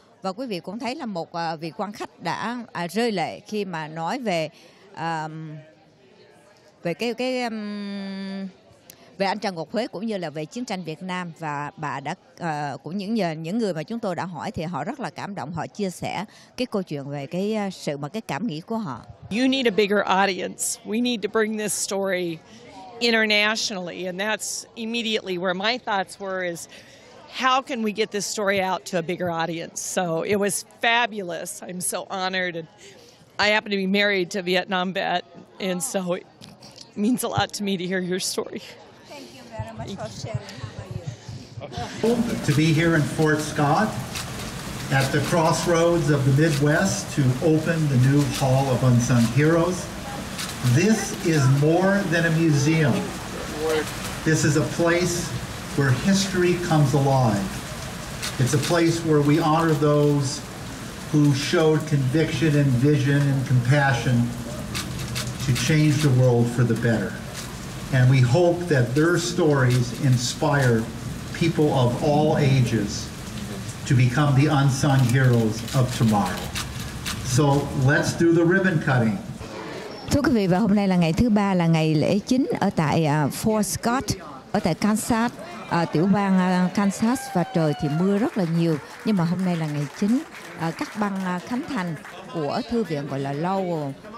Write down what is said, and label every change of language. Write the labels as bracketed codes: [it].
[vi] Và quý vị cũng thấy là một vị quan khách đã rơi lệ khi mà nói về anh Trần Ngọc Huế cũng như là về chiến tranh Việt Nam. Và bà đã cũng những người mà chúng tôi đã hỏi thì họ rất là cảm động, họ chia sẻ cái câu chuyện về cái sự mà cái cảm nghĩ của họ. [en] You need a bigger audience. We need to bring this story internationally, and that's immediately where my thoughts were, is how can we get this story out to a bigger audience. So it was fabulous. I'm so honored, and I happen to be married to a Vietnam vet, and so it means a lot to me to hear your story. To be here in Fort Scott at the crossroads of the Midwest to open the new Hall of Unsung Heroes. This is more than a museum. This is a place where history comes alive. It's a place where we honor those who showed conviction and vision and compassion to change the world for the better. And we hope that their stories inspire people of all ages to become the unsung heroes of tomorrow. So let's do the ribbon cutting. [vi] Thưa quý vị, và hôm nay là ngày thứ ba, là ngày lễ chính ở tại Fort Scott, ở tại Kansas, tiểu bang Kansas, và trời thì mưa rất là nhiều. Nhưng mà hôm nay là ngày chính cắt băng khánh thành của thư viện gọi là Lowell.